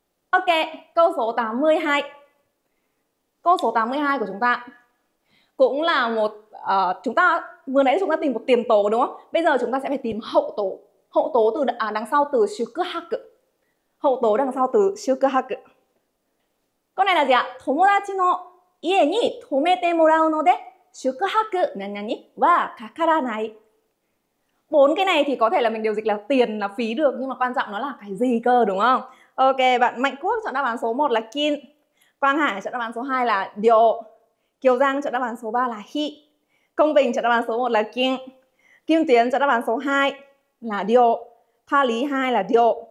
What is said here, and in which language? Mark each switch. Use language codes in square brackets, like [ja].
[vi] Ok, câu số 82. Câu số 82 của chúng ta cũng là một, chúng ta vừa nãy chúng ta tìm một tiền tố đúng không? Bây giờ chúng ta sẽ phải tìm hậu tố. Hậu tố từ đằng sau từ shukuhaku. Hậu tố đằng sau từ shukuhaku. Câu này là gì ạ? [ja] 友達の家に泊めてもらうので shukuhaku nanyani wa kakaranai. [vi] Bốn cái này thì có thể là mình điều dịch là tiền là phí được, nhưng mà quan trọng nó là cái gì cơ đúng không? Ok, bạn Mạnh Quốc chọn đáp án số 1 là kin. Quang Hải chọn đáp án số 2 là dio. Kiều Giang chọn đáp án số 3 là hi. Công Bình chọn đáp án số 1 là kin. Kim Tiến chọn đáp án số 2 là dio. Pha Lý 2 là dio.